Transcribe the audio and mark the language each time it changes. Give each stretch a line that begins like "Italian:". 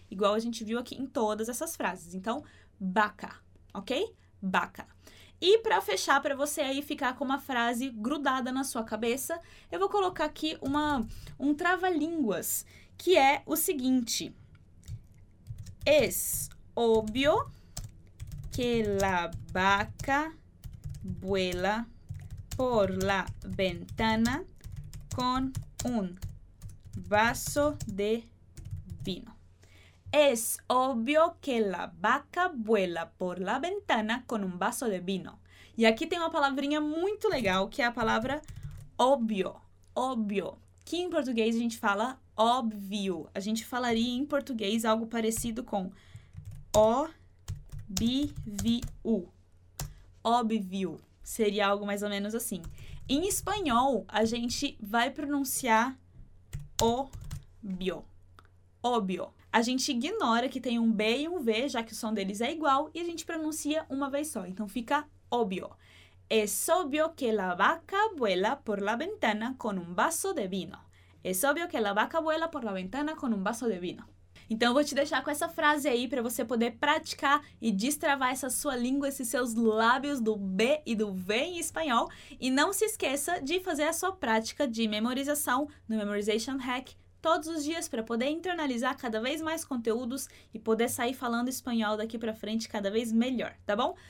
Portuguese: Igual a gente viu aqui em todas essas frases. Então, vaca, ok? Vaca. E para fechar, para você aí ficar com uma frase grudada na sua cabeça, eu vou colocar aqui um trava-línguas, que é o seguinte.
Spanish: Es obvio que la vaca vuela por la ventana con un vaso de vino. Es obvio que la vaca vuela por la ventana con un vaso de vino.
Portuguese: E aqui tem uma palavrinha muito legal, que é a palavra óbvio. Óbvio. Que em português a gente fala óbvio. A gente falaria em português algo parecido com óbvio. Óbvio. Seria algo mais ou menos assim. Em espanhol, a gente vai pronunciar óbvio. Óbvio. A gente ignora que tem um B e um V, já que o som deles é igual, e a gente pronuncia uma vez só. Então, fica óbvio.
Spanish: Es obvio que la vaca vuela por la ventana con un vaso de vino. Es obvio que la vaca vuela por la ventana con un vaso de vino.
Portuguese: Então, eu vou te deixar com essa frase aí para você poder praticar e destravar essa sua língua, esses seus lábios do B e do V em espanhol. E não se esqueça de fazer a sua prática de memorização no Memorization Hack todos os dias para poder internalizar cada vez mais conteúdos e poder sair falando espanhol daqui para frente cada vez melhor, tá bom?